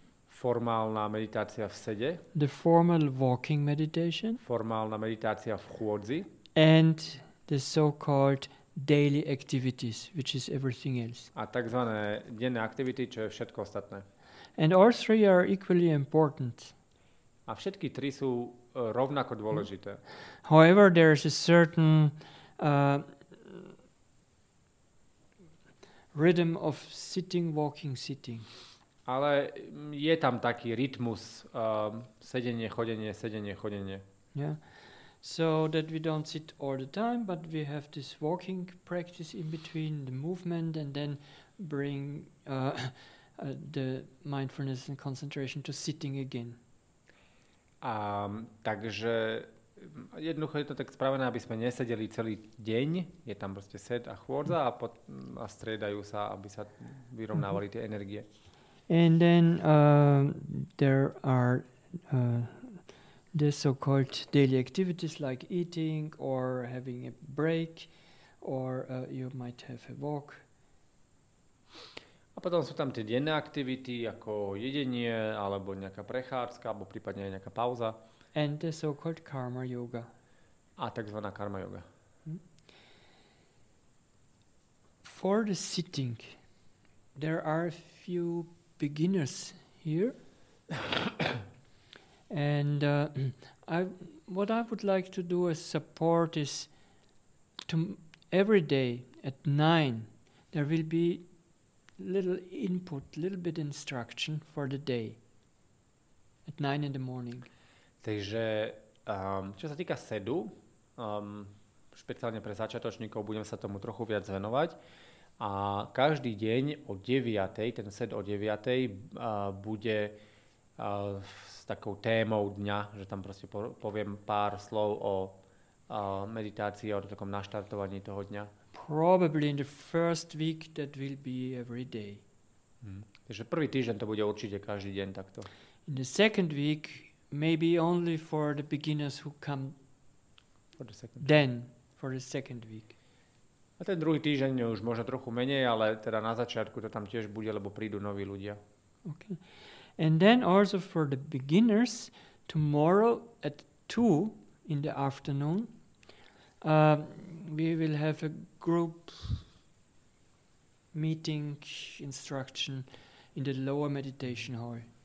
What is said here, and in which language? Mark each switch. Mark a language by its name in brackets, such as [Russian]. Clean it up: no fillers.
[Slovak] Formálna meditácia v sede. [English] The formal walking meditation. [Slovak] Formálna meditácia v chôdzi. [English] And the so-called daily activities, which is everything else. [Slovak] A takzvané denné aktivity, čo je všetko ostatné. [English] And all three are equally important. [Slovak] A všetky tri sú rovnako dôležité. [English] However, there is a certain rhythm of sitting, walking, sitting. [Slovak] Ale je tam taký rytmus sedenie, chodenie, sedenie, chodenie. [English] Yeah. So that we don't sit all the time, but we have this walking practice in between the movement and then bring the mindfulness and concentration to sitting again. [Slovak] Takže jednoducho je to tak spravené, aby sme nesedeli celý deň, je tam proste sed a chôdza a striedajú sa, aby sa vyrovnávali tie energie. [English] And then there are the so-called daily activities like eating or having a break or you might have a walk. [Slovak] A potom sú tam tie denné aktivity, ako jedenie, alebo nejaká prechádzka, alebo prípadne aj nejaká pauza. [English] And the so-called karma yoga. [Slovak] A takzvaná karma yoga. [English] For the sitting, there are a few beginners here. And what I would like to do as support is to every day at 9, there will be little input, little bit instruction for the day at 9 in the morning. [Slovak] Takže, čo sa týka sedu, špeciálne pre začiatočníkov, budem sa tomu trochu viac venovať. A každý deň o 9, ten sed o 9, bude s takou témou dňa, že tam prostě poviem pár slov o meditácii, o takom naštartovaní toho dňa. [English] Probably in the first week that will be every day. [Slovak] Takže prvý týždeň to bude určite každý deň takto. [English] In the second week, maybe only for the beginners who come for the second week. [Slovak] A ten druhý týždeň už možno trochu menej, ale teda na začiatku to tam tiež bude, lebo prídu noví ľudia. [English] Okay. And then also for the beginners, tomorrow at 2 in the afternoon, we will have a group meeting instruction in the lower meditation hall.